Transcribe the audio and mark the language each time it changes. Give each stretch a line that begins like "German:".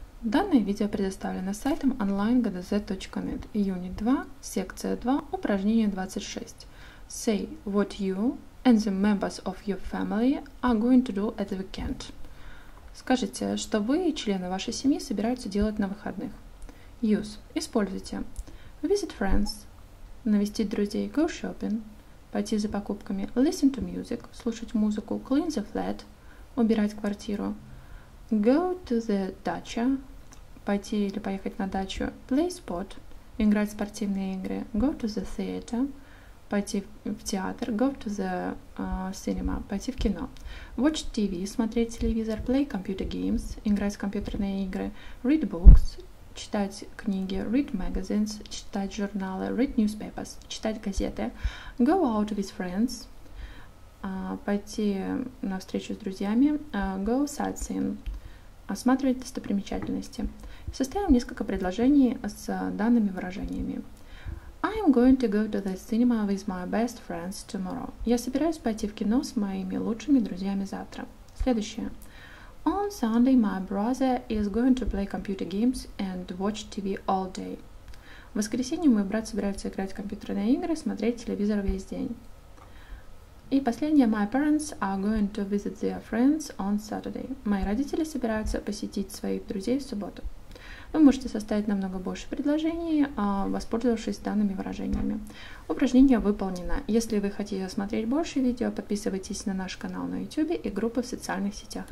Russian: Данное видео предоставлено сайтом onlinegdz.net, Unit 2, секция 2, упражнение 26.
English: Say what you and the members of your family are going to do at the weekend.
Russian: Скажите, что вы и члены вашей семьи собираются делать на выходных.
English: Use.
Russian: Используйте.
English: Visit friends.
Russian: Навестить друзей.
English: Go shopping.
Russian: Пойти за покупками.
English: Listen to music.
Russian: Слушать музыку.
English: Clean the flat.
Russian: Убирать квартиру.
English: Go to the dacha.
Russian: Пойти или поехать на дачу.
English: Play sport.
Russian: Играть в спортивные игры.
English: Go to the theater.
Russian: Пойти в театр.
English: Go to the cinema.
Russian: Пойти в кино.
English: Watch TV.
Russian: Смотреть телевизор.
English: Play computer games.
Russian: Играть в компьютерные игры.
English: Read books.
Russian: Читать книги.
English: Read magazines.
Russian: Читать журналы.
English: Read newspapers.
Russian: Читать газеты.
English: Go out with friends.
Russian: Пойти на встречу с друзьями. Go sightseeing. Осматривать достопримечательности. Составим несколько предложений с данными выражениями.
English: I'm going to go to the cinema with my best friends tomorrow.
Russian: Я собираюсь пойти в кино с моими лучшими друзьями завтра. Следующее.
English: On Sunday my brother is going to play computer games and watch TV all day.
Russian: В воскресенье мой брат собирается играть в компьютерные игры, смотреть телевизор весь день. И последнее.
English: My parents are going to visit their friends on Saturday.
Russian: Мои родители собираются посетить своих друзей в субботу. Вы можете составить намного больше предложений, воспользовавшись данными выражениями. Упражнение выполнено. Если вы хотите смотреть больше видео, подписывайтесь на наш канал на YouTube и группы в социальных сетях.